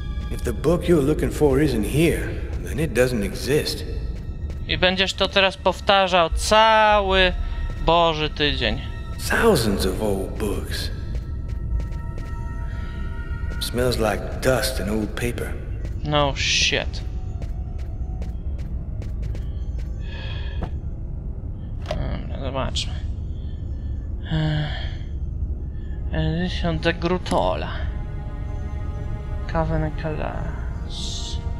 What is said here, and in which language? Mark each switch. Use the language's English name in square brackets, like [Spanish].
[English] If the book you're looking for isn't here, then it doesn't exist. [Polish] I będziesz to teraz powtarzał cały Boży tydzień. [English] Thousands of old books. Smells like dust and old paper. No shit. [Polish] Zobaczmy. [French] Edition de Grutola. Cave Nicolas.